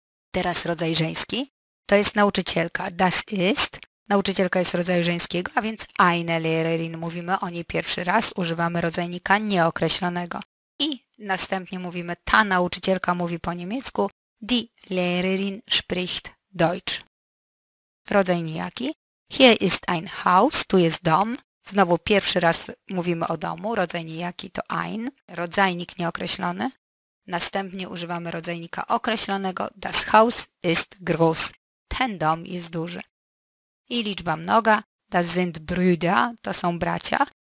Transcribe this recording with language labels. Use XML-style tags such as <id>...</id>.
<pl>Teraz rodzaj żeński, to jest nauczycielka,</pl> <de>das ist.</de> <pl>Nauczycielka jest rodzaju żeńskiego, a więc</pl> <de>eine Lehrerin.</de> <pl>Mówimy o niej pierwszy raz, używamy rodzajnika nieokreślonego. I następnie mówimy, ta nauczycielka mówi po niemiecku,</pl> <de>die Lehrerin spricht Deutsch.</de> <pl>Rodzaj nijaki.</pl> <de>Hier ist ein Haus,</de> <pl>tu jest dom. Znowu pierwszy raz mówimy o domu, rodzaj nijaki to ein. Rodzajnik nieokreślony. Następnie używamy rodzajnika określonego,</pl> <de>das Haus ist groß.</de> <pl>Ten dom jest duży. I liczba mnoga,</pl> <de>das sind Brüder,</de> <pl>to są bracia.</pl>